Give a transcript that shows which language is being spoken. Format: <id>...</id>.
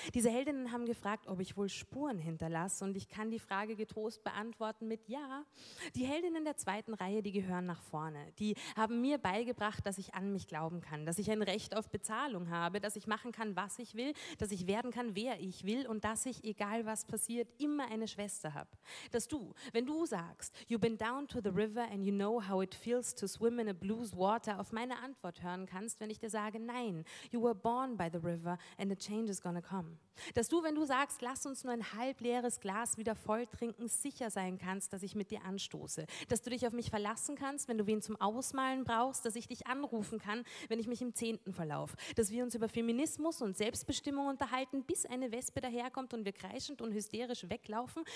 <de>Diese Heldinnen haben gefragt, ob ich wohl Spuren hinterlasse. Und ich kann die Frage getrost beantworten mit ja. Die Heldinnen der zweiten Reihe, die gehören nach vorne. Die haben mir beigebracht, dass ich an mich glauben kann, dass ich ein Recht auf Bezahlung habe, dass ich machen kann, was ich will, dass ich werden kann, wer ich will und dass ich, egal was passiert, immer eine Schwester habe. Dass du, wenn du sagst,</de> <en>you've been down to the river and you know how it feels to swim in a blue water,</en> <de>auf meine Antwort hören kannst, wenn ich dir sage, nein,</de> <en>you were born by the river and the change is gonna come.</en> <de>Dass du, wenn du sagst, lass uns nur ein halb leeres Glas wieder voll trinken, sicher sein kannst, dass ich mit dir anstoße. Dass du dich auf mich verlassen kannst, wenn du wen zum Ausmalen brauchst, dass ich dich anrufen kann, wenn ich mich im 10. verlauf. Dass wir uns über Feminismus und Selbstbestimmung unterhalten, bis eine Wespe daherkommt und wir kreischend und hysterisch weglaufen.</de>